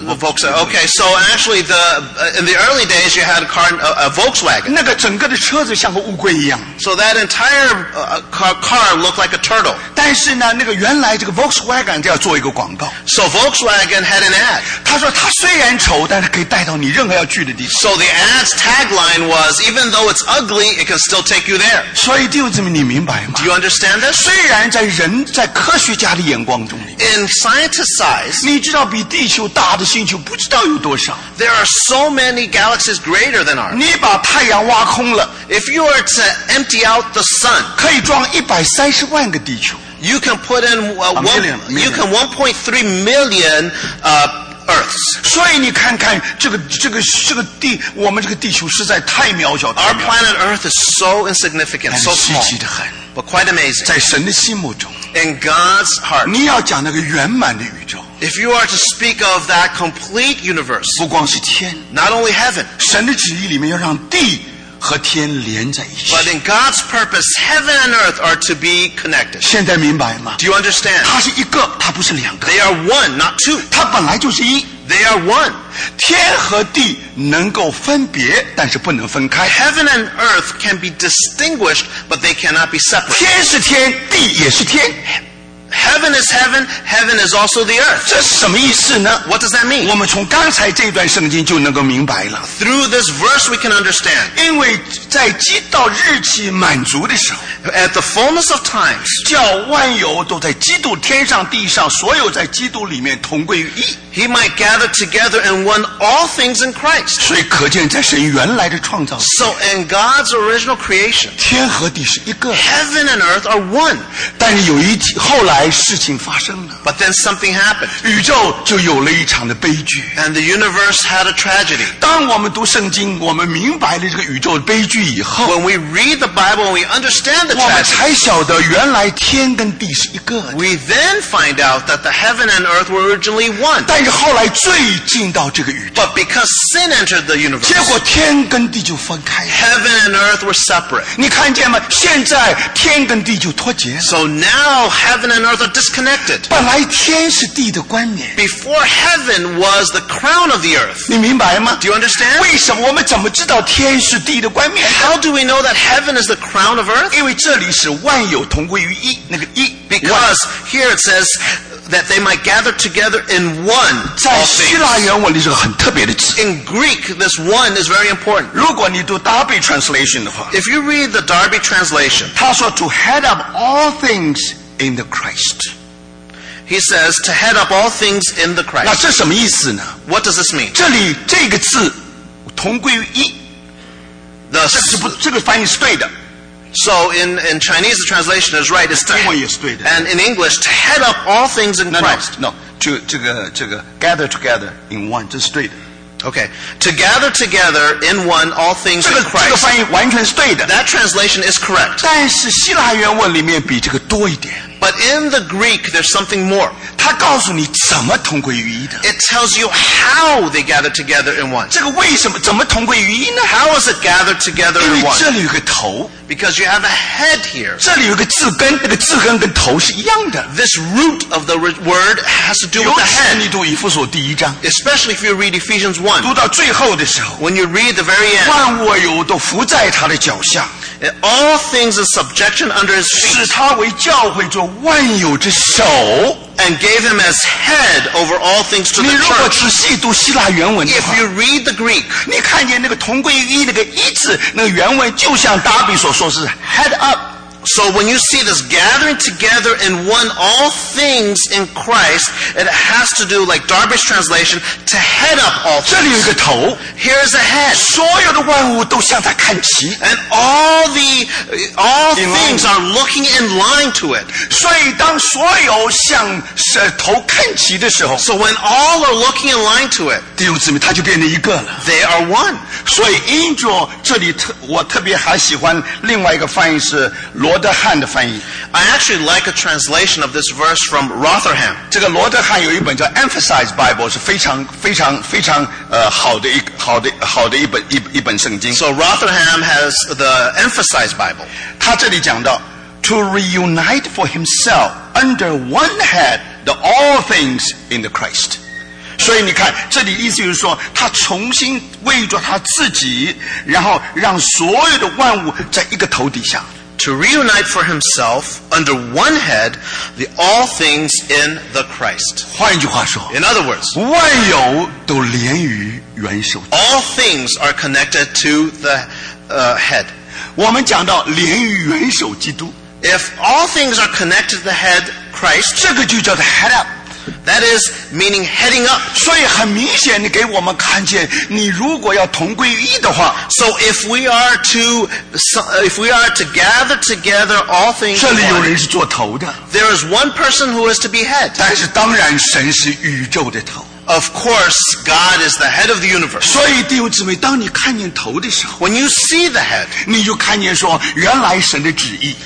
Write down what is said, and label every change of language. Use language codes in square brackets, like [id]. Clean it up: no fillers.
[en] Volkswagen OK so actually the, in the early days you had a car a Volkswagen [zh] 那个整个的车子像个乌龟一样 [en] so that entire car looked like a turtle [zh] 但是呢那个原来这个 Volkswagen 就要做一个广告 [en] so Volkswagen had an ad [zh] 他说他虽然丑但是可以带到你任何要去的地方 [en] so the ad's tagline was even though it's ugly it can still take you there [zh] 所以弟兄姊妹你明白吗 [en] do you understand this [zh] 虽然在人在科学家的眼光中 [en] in scientist's eyes [zh] 你知道要比地球大的星球不知道有多少。 [en] There are so many galaxies greater than ours. [zh] 你把太阳挖空了。 [en] If you were to empty out the sun, [zh] 可以装130万个地球。 [en] You can put in you can 1.3 million Earths. [zh] 所以你看看这个地，我们这个地球实在太渺小。 [en] Our planet Earth is so insignificant, so small. [zh] 但是稀奇的很。 [en] But quite amazing. [zh] 在神的心目中。 [en] In God's heart. [zh] 你要讲那个圆满的宇宙。 [en] If you are to speak of that complete universe, [zh] 不光是天, [en] not only heaven, [zh] 神的旨意里面要让地和天连在一起, [en] but in God's purpose, heaven and earth are to be connected. [zh] 现在明白吗? [en] Do you understand? [zh] 它是一个, 它不是两个。 [en] They are one, not two. [zh] 它本来就是一。 [en] They are one. [zh] 天和地能够分别，但是不能分开。 [en] Heaven and earth can be distinguished, but they cannot be separate. [zh] 天是天，地也是天。 [en] Heaven is heaven, heaven is also the earth. [zh] 这是什么意思呢? [en] What does that mean? [zh] 我们从刚才这段圣经就能够明白了。 [en] Through this verse we can understand. [zh] 因为在基到日期满足的时候, [en] at the fullness of times, [zh] 叫万有都在基督天上地上所有在基督里面同归于一。 [en] He might gather together and one all things in Christ. [zh] 所以可见在神原来的创造。 [en] So in God's original creation, [zh] 天和地是一个。 [en] Heaven and earth are one. [zh] 但是有一后来事情发生了 [en] But then something happened. [zh] 宇宙就有了一场的悲剧 [en] And the universe had a tragedy. [zh] 当我们读圣经我们明白了这个宇宙的悲剧以后 [en] When we read the Bible and we understand the tragedy, [zh] 我们才晓得原来天跟地是一个的 [en] We then find out that the heaven and earth were originally one. [zh] 但是后来罪进到这个宇宙 [en] But because sin entered the universe, [zh] 结果天跟地就分开了 [en] Heaven and earth were separate. [zh] 你看见吗现在天跟地就脱节了 [en] So now heaven and earth are disconnected. [zh] 本来天是地的冠冕。 [en] Before heaven was the crown of the earth. [zh] 你明白吗? [en] Do you understand? [zh] 为什么我们怎么知道天是地的冠冕? [en] How do we know that heaven is the crown of earth? [zh] 因为这里是万有同归于一，那个一。 [en] Because here it says that they might gather together in one. [zh] 在希腊原文里是个很特别的词。 [en] In Greek, this one is very important. [zh] 如果你读 Darby translation 的话， [en] If you read the Darby translation, [zh] 他说 [en] to head up all things. In the Christ. He says to head up all things in the Christ. [zh] 那这什么意思呢? [en] What does this mean? [zh] 这里这个字同归于一。 [en] The, [zh] 这个翻译是对的。 [en] So in Chinese the translation is right. It's to, [zh] 英文也是对的。 [en] And in English, to head up all things in no, Christ. No, no, to, [zh] 这个 [en] gather together in one, [zh] 这是对的。 [en] Okay, to gather together in one all things in Christ. [zh] 这个翻译完全是对的。 [en] That translation is correct. [zh] 但是希腊原文里面比这个多一点。 [en] But in the Greek, there's something more. [zh] 它告诉你怎么同归于一的。 [en] It tells you how they gather together in one. [zh] 这个为什么怎么同归于一呢? [en] How is it gathered together in one? [zh] 因为这里有个头。 [en] Because you have a head here. [zh] 这里有个字根，那个字根跟头是一样的。 [en] This root of the word has to do with the head. [zh] 尤其你读以弗所第一章。 [en] Especially if you read Ephesians 1. [zh] 读到最后的时候。 [en] When you read the very end. [zh] 万物有都伏在他的脚下。 [en] All things in subjection under his feet. [zh] 使他为教会做万有之首。 [en] And gave him as head over all things to the church. [zh] 你如果仔细读希腊原文的话。 [en] If you read the Greek. [zh] 你看见那个同归于一那个一字那个原文就像达比所说是 [en] head up. So when you see this gathering together in one all things in Christ, it has to do, like Darby's translation, to head up all things. [zh] 这里有个头。 [en] Here is a head. [zh] 所有的万物都向他看齐。 [en] And all things are looking in line to it. [zh] 所以当所有向头看齐的时候。 [en] So when all are looking in line to it. [zh] 弟兄姊妹他就变成一个了。 [en] They are one. [zh] 所以 Angel, 这里我特别还喜欢另外一个翻译是罗德汉的翻译。 [en] I actually like a translation of this verse from Rotherham. [zh] 这个罗德汉有一本叫 Emphasized Bible, 是非常非常非常好的一本圣经。 [en] So Rotherham has the Emphasized Bible. [zh] 他这里讲到 [en] to reunite for himself under one head the all things in the Christ. [zh] 所以你看这里意思就是说他重新为着他自己然后让所有的万物在一个头底下。 [en] To reunite for himself under one head the all things in the Christ. [zh] 换一句话说, [en] in other words, [zh] 万有都连于元首。 [en] All things are connected to the head. [zh] 我们讲到连于元首基督。 [en] If all things are connected to the head, Christ, [zh] 这个就叫做 [en] head up. That is meaning heading up. [zh] 所以很明显你给我们看见你如果要同归于一的话 [en] So if we are to if we are to gather together all things [zh] 这里有人是做头的 [en] There is one person who is to be head. [zh] 但是当然神是宇宙的头 [en] Of course God is the head of the universe. [zh] 所以弟兄姊妹当你看见头的时候 [en] When you see the head [zh] 你就看见说原来神的旨意